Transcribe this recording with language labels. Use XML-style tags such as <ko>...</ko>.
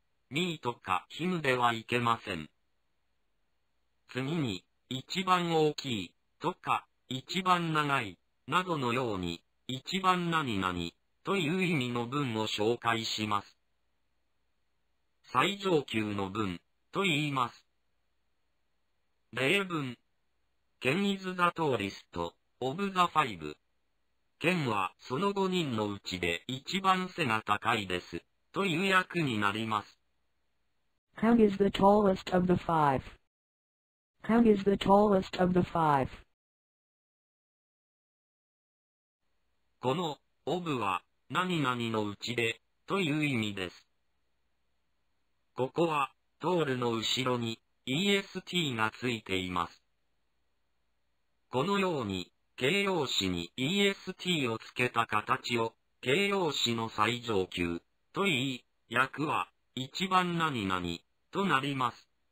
<ja>me とか him ではいけません。次に、一番大きいとか、一番長いなどのように、一番何々という意味の文を紹介します。最上級の文と言います。例文。</ja> <en>Ken is the tallest of the five.</en> <ja>ケンはその5人のうちで一番背が高いですという訳になります。</ja> <en>Ken is the tallest of the five.Ken is the tallest of the five.</en> <ja>この of は何々のうちでという意味です。ここはトールの後ろに est がついています。このように形容詞に est をつけた形を形容詞の最上級と言い、訳は一番何々となります。</ja>